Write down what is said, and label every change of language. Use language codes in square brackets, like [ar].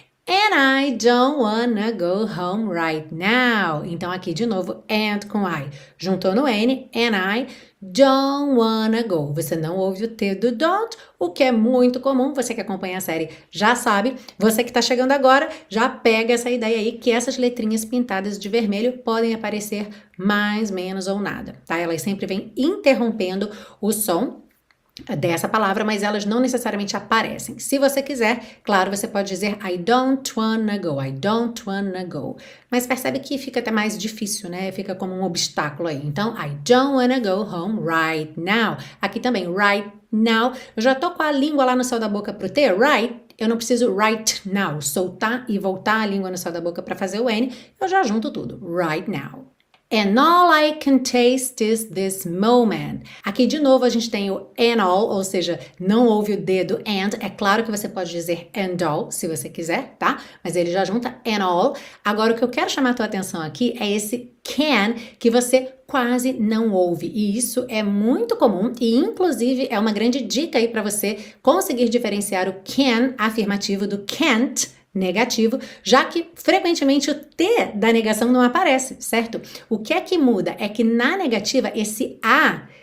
[en] And I don't wanna go home right now. [pt] Então, aqui de novo, and com I. Juntou no N, and I. [en] Don't wanna go. [pt] Você não ouve o T do don't, o que é muito comum. Você que acompanha a série já sabe. Você que está chegando agora já pega essa ideia aí que essas letrinhas pintadas de vermelho podem aparecer mais, menos ou nada, tá? Elas sempre vêm interrompendo o som dessa palavra, mas elas não necessariamente aparecem. Se você quiser, claro, você pode dizer [en] I don't wanna go, I don't wanna go. [pt] Mas percebe que fica até mais difícil, né? Fica como um obstáculo aí. [en] Então, I don't wanna go home right now. [pt] Aqui também, right now. Eu já tô com a língua lá no céu da boca pro T, right? Eu não preciso right now, soltar e voltar a língua no céu da boca para fazer o N. Eu já junto tudo, right now. [en] And all I can taste is this moment. [pt] Aqui de novo a gente tem o and all, ou seja, não ouve o D do and. É claro que você pode dizer and all se você quiser, tá? Mas ele já junta and all. Agora o que eu quero chamar a tua atenção aqui é esse can que você quase não ouve. E isso é muito comum e inclusive é uma grande dica aí para você conseguir diferenciar o can afirmativo do can't negativo, já que frequentemente o T da negação não aparece, certo? O que é que muda? É que na negativa esse A